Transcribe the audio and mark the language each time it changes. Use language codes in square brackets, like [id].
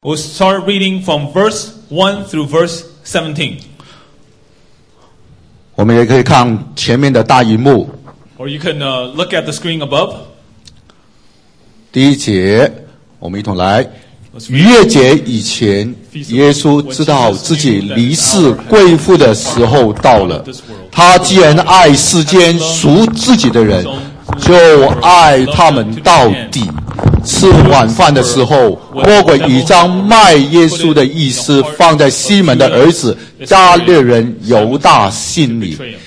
[en] We'll start reading from verse 1 through verse 17. [zh] 我们也可以看前面的大荧幕。 [en] Or you can look at the screen above. [zh] 第一节，我们一同来。逾越节以前，耶稣知道自己离世归父的时候到了。他既然爱世间属自己的人，就爱他们到底。吃晚饭的时候，魔鬼已将卖耶稣的意思放在西门的儿子加略人犹大心里。